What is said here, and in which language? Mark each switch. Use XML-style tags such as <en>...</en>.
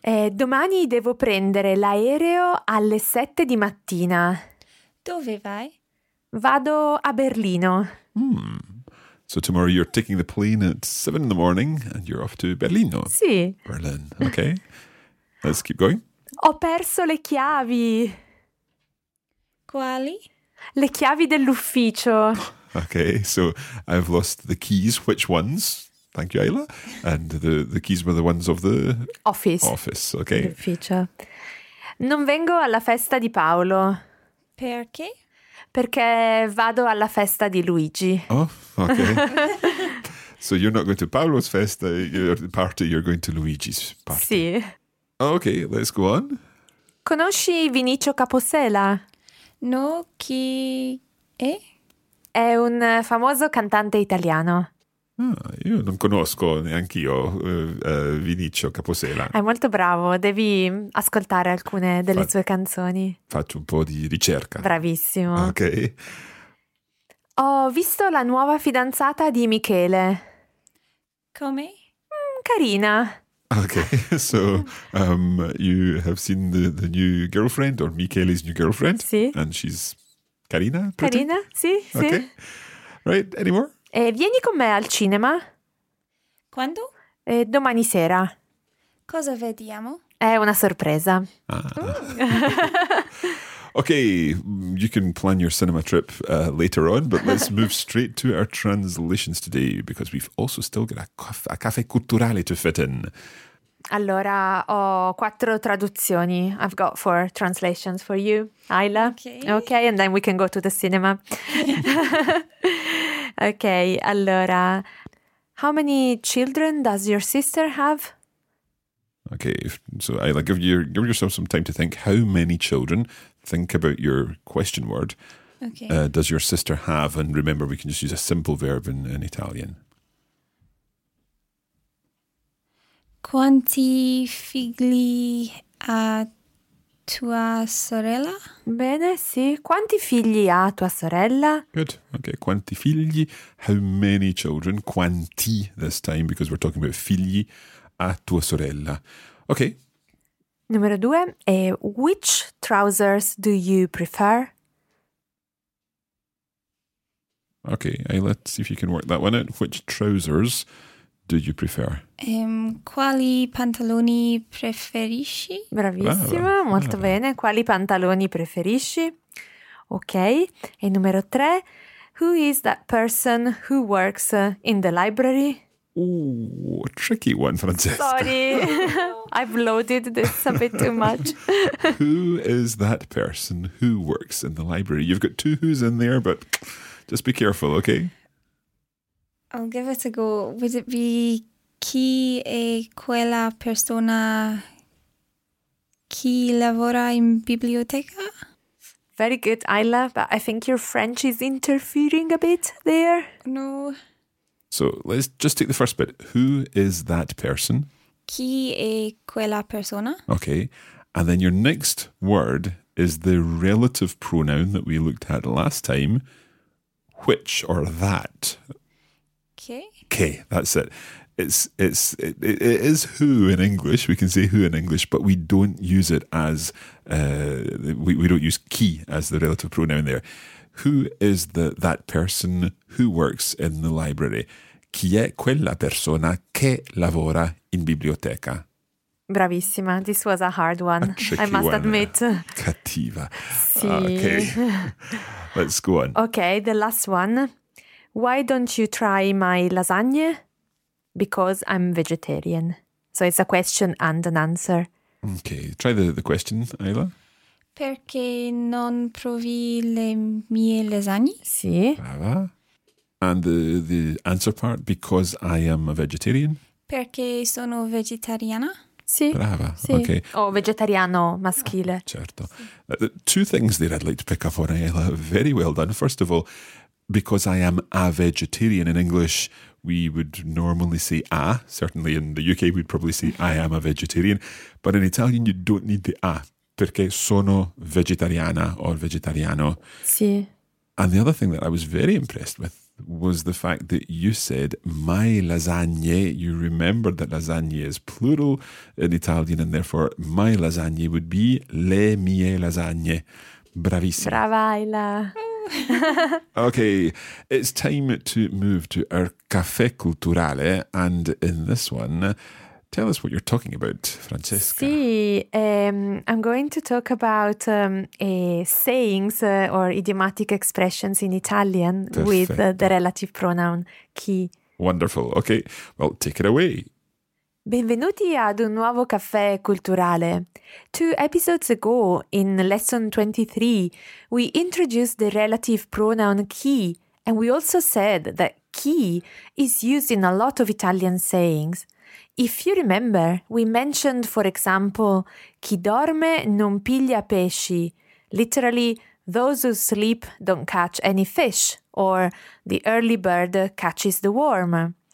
<it>Domani devo prendere l'aereo alle 7 di mattina. Dove vai? Vado a Berlino.</it> <en>So tomorrow you're taking the plane at 7 in the morning and you're off to Berlino.</en> <it>Sì.</it> <en>Berlin. Okay. Let's keep going.</en> <it>Ho perso le chiavi. Quali? Le chiavi dell'ufficio.</it> <en>Okay, so I've lost the keys. Which ones? Thank you, Ayla. And the keys were the ones of the... Office, okay.</en> <it>L'ufficio. Non vengo alla festa di Paolo. Perché? Perché vado alla festa di Luigi.</it> <en>Oh, okay. So you're not going to Paolo's festa, your party, you're going to Luigi's party.</en> <it>Sì.</it> <en>Okay, let's go on.</en> <it>Conosci Vinicio Capossela? No, chi è? È un famoso cantante italiano. Ah, io non conosco neanch'io Vinicio Capossela. È molto bravo, devi ascoltare alcune delle sue canzoni. Faccio un po' di ricerca. Bravissimo. Ok. Ho visto la nuova fidanzata di Michele. Come? Carina.</it> <en>Ok, so you have seen the new girlfriend or Michele's new girlfriend?</en> <it>Sì.</it> <en>And she's carina? Pretty?</en> <it>Carina, sì,</it> <en>okay.</en> <it>Sì.</it> <en>Right, any more?</en> <it>Vieni con me al cinema. Quando? Domani sera. Cosa vediamo? È una sorpresa.</it> <en>Okay, you can plan your cinema trip later on, but let's move straight to our translations today, because we've also still got a caffè culturale to fit in.</en> <it>Allora, ho quattro traduzioni.</it> <en>I've got four translations for you, Ayla. Okay, and then we can go to the cinema. Okay, allora, how many children does your sister have? Okay, so Ayla, give yourself some time to think. How many children? Think about your question word. Okay. Does your sister have? And remember, we can just use a simple verb in Italian.</en> <it>Quanti figli ha tua sorella? Bene, sì. Quanti figli ha tua sorella?</it> <en>Good. Okay.</en> <it>Quanti figli?</it> <en>How many children? Quanti this time, because we're talking about</en> <it>figli a tua sorella.</it> <en>Okay.</en> <it>Numero due.</it> <en>Which trousers do you prefer? Okay. Let's see if you can work that one out. Which trousers do you prefer?</en> <it>Quali pantaloni preferisci? Bravissima, molto bene. Quali pantaloni preferisci? Ok. E numero tre,</it> <en>who is that person who works in the library? Ooh, tricky one, Francesca. Sorry, I've loaded this a bit too much. Who is that person who works in the library? You've got two who's in there, but just be careful, okay? I'll give it a go. Would it be</en> <it>chi è quella persona che lavora in biblioteca?</it> <en>Very good, Ayla, but I think your French is interfering a bit there. No. So let's just take the first bit. Who is that person?</en> <it>Chi è quella persona?</it> <en>Okay. And then your next word is the relative pronoun that we looked at last time. Which or that? Okay, that's it. It is who in English. We can say who in English, but we don't use it as we don't use chi as the relative pronoun there. Who is that person who works in the library?</en> <it>Chi è quella persona che lavora in biblioteca?</it> <en>Bravissima. This was a hard one. A tricky I must one. Admit.</en> <it>Cattiva. Sì.</it> <en>Okay. Let's go on. Okay, the last one. Why don't you try my lasagne? Because I'm vegetarian. So it's a question and an answer. Okay, try the question, Ayla.</en> <it>Perché non provi le mie lasagne? Sì. Brava.</it> <en>And the answer part, because I am a vegetarian?</en> <it>Perché sono vegetariana. Sì. Brava. Sì. Okay. O vegetariano maschile. Oh, certo. Sì.</it> <en>Two things there I'd like to pick up on, Ayla. Very well done. First of all, because I am a vegetarian. In English, we would normally say a. Certainly in the UK, we'd probably say I am a vegetarian. But in Italian, you don't need the a.</en> <it>Perché sono vegetariana or vegetariano. Sì.</it> <en>And the other thing that I was very impressed with was the fact that you said my lasagne. You remembered that lasagne is plural in Italian, and therefore my lasagne would be</en> <it>le mie lasagne.</it> <en>Bravissima. Brava, Ayla. Okay, it's time to move to our caffè culturale, and in this one, tell us what you're talking about, Francesca. Sì, I'm going to talk about sayings or idiomatic expressions in Italian.</en> <it>Perfetto.</it> <en>With the relative pronoun chi. Wonderful. Okay, well, take it away.</en> <it>Benvenuti ad un nuovo caffè culturale.</it> <en>Two episodes ago, in lesson 23, we introduced the relative pronoun chi, and we also said that chi is used in a lot of Italian sayings. If you remember, we mentioned, for example,</en> <it>chi dorme non piglia pesci,</it> <en>literally, those who sleep don't catch any fish, or the early bird catches the worm.</en>